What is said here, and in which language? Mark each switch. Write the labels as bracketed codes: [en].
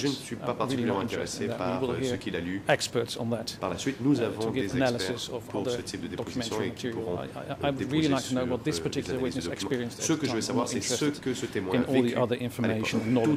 [fr] Et je ne suis pas particulièrement intéressé par ce qu'il a lu. [en] Experts on that. [fr] Par la suite, nous avons des experts pour ce type de déposition et qui pourront [en] really like to know what this particular witness experienced. [fr] Ce que je veux savoir, c'est ce que ce témoin a vécu.